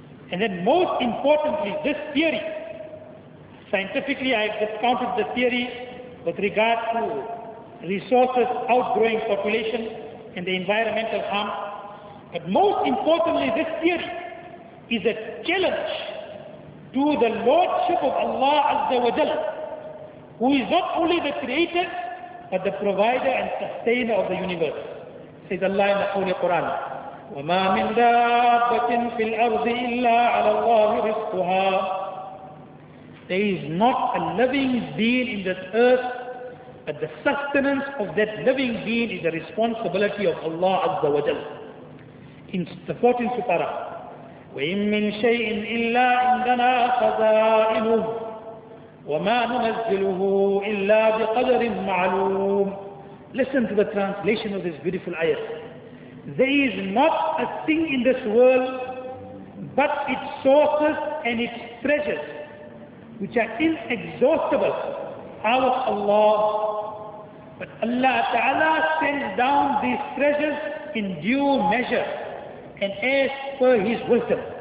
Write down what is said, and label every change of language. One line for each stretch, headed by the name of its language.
English: And then most importantly, this theory, scientifically I have discounted the theory with regard to resources outgrowing population and the environmental harm, but most importantly this theory is a challenge to the Lordship of Allah Azza wa Jalla, who is not only the creator, but the provider and sustainer of the universe. Says Allah in the Holy Quran,
Arabic: وَمَا مِنْ دَابَّةٍ فِي الْأَرْضِ إِلَّا عَلَى اللَّهِ رِزْقُهَا.
English: There is not a living being in this earth, but the sustenance of that living being is the responsibility of Allah Azza wa Jalla. In the 14th Supara,
Arabic: وَإِن مِّن شَيْءٍ إِلَّا عِنْدَنَا خَزَائِنُهُ وَمَا نُنَزِّلُهُ إِلَّا بِقَدَرٍ مَعْلُومٍ.
English: Listen to the translation of this beautiful ayah. There is not a thing in this world but its sources and its treasures, which are inexhaustible, out of Allah. But Allah Ta'ala sends down these treasures in due measure and as per His wisdom.